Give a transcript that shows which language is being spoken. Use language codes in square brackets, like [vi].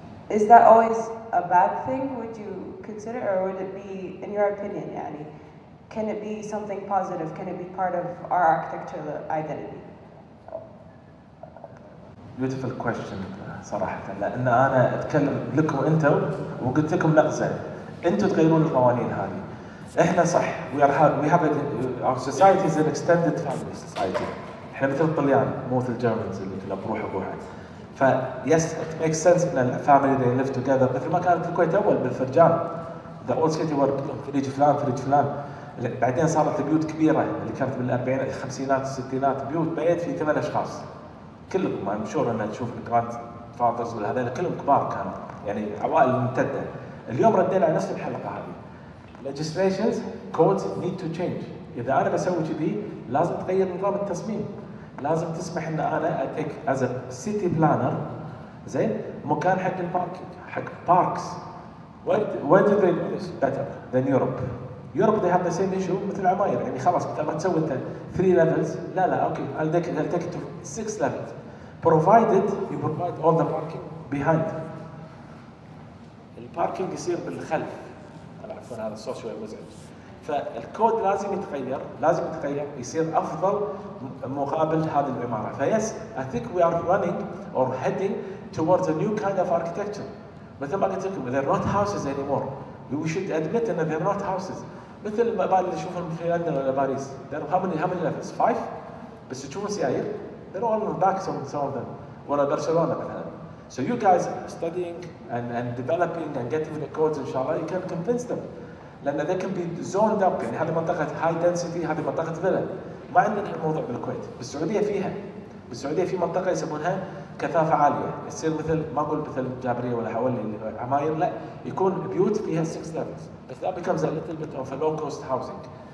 [en] Is that always a bad thing, would you consider, or would it be, in your opinion, [ar] يعني, [en] can it be something positive? Can it be part of our architectural identity? Beautiful question. [ar] صراحة لأن أنا أتكلم لكم أنتوا وقلت لكم نقزة، أنتوا تغيرون القوانين هذه. إحنا صح [en] our society is an extended family society. [ar] إحنا مثل الطليان مو مثل الجيرمنز اللي كلها بروحه بروحه. فيس [en] it makes sense [ar] إن الفاميلي [en] they live together [ar] مثل ما كانت الكويت أول بالفرجان. [en] The old city were [ar] فريج فلان فريج فلان. بعدين صارت بيوت كبيرة اللي كانت بالأربعينات الخمسينات الستينات بيوت بيت فيه 8 أشخاص. كلهم أنا مشهور إن تشوف الجراند فاذرز وهذول كلهم كبار كانوا يعني عوائل ممتدة. اليوم ردينا على نفس الحلقة هذه. [en] Legislations, codes need to change. [ar] إذا أنا بسوي كذي لازم تغير نظام التصميم. لازم تسمح إن أنا أتك [en] as a city planner [ar] زين مكان حق الباركينج حق باركس. [en] Where do they do this better than Europe? Europe they have the same issue [ar] مثل عماير يعني خلاص بتعمل تسوي أنت 3 levels. لا لا أوكي [en] I'll take it to 6 levels. Provided you provide all the parking behind. [ar] الباركينج يصير بالخلف. أنا أعرف هذا social مزعج. فالكود لازم يتغير، لازم يتغير يصير أفضل مقابل هذه العمارة. [en] فيس I think we are running or heading towards a new kind of architecture. [ar] مثل ما قلت لكم [en] they're not houses anymore. We should admit that they're not houses. [ar] مثل المباني اللي نشوفها في لندن ولا باريس. [en] There are how many levels? 5. [ar] بس تشوفون سيائر. [en] They're all on the back some of them. [ar] ولا برشلونة مثلا. [en] So you guys studying and developing and getting the codes inshallah, you can convince them. [ar] لأن [en] they can be zoned up. [ar] يعني هذه منطقة high density, هذه منطقة فيلا. ما عندنا الموضوع بالكويت. بالسعودية فيها. بالسعودية في منطقة يسمونها كثافة عالية. يصير مثل ما أقول مثل جابرية ولا حولي عماير. لا. يكون بيوت فيها 6 levels. [en] But that becomes a little bit of a low cost housing.